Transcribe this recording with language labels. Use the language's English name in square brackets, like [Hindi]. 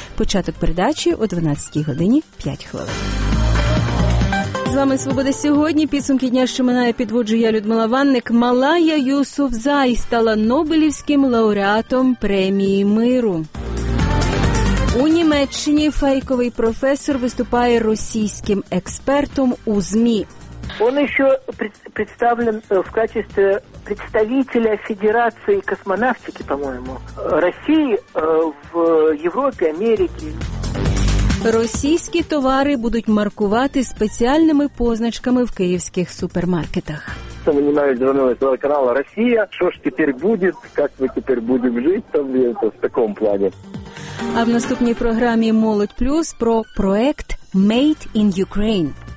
[Ukrainian] Початок передачі о 12 годині 5 хвилин. З вами «Свобода сьогодні». Підсумки дня, що минає, підводжу я, Людмила Ванник. Малая Юсуфзай стала Нобелівським лауреатом премії миру. У Німеччині фейковий професор виступає російським експертом у ЗМІ. [Russian] Он еще представлен в качестве представителя Федерации космонавтики, по-моему, России в Европе, Америке. [Ukrainian] Російські товари будуть маркувати спеціальними позначками в київських супермаркетах. Ми не маємо дзвонили телеканалу «Росія». Що ж тепер буде? Як ми тепер будемо жити там, в такому плані? А в наступній програмі «Молодь Плюс» про проект «Made in Ukraine».